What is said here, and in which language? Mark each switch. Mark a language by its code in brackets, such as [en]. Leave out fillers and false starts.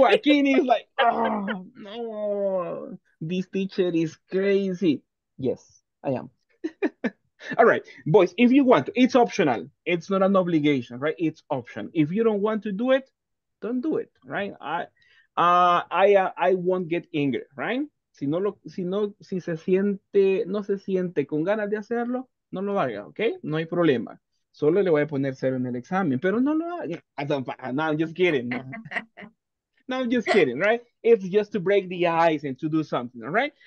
[en] Joaquin is like, oh, no. This teacher is crazy. Yes, I am. All right, boys, if you want to, it's optional. It's not an obligation, right? It's option. If you don't want to do it, don't do it, right? I won't get angry, right? [es] Si no se siente con ganas de hacerlo, no lo haga, okay? No hay problema. Solo le voy a poner cero en el examen, pero no lo haga. [en] No, I'm just kidding. No, I'm just kidding, right? It's just to break the ice and to do something, all right?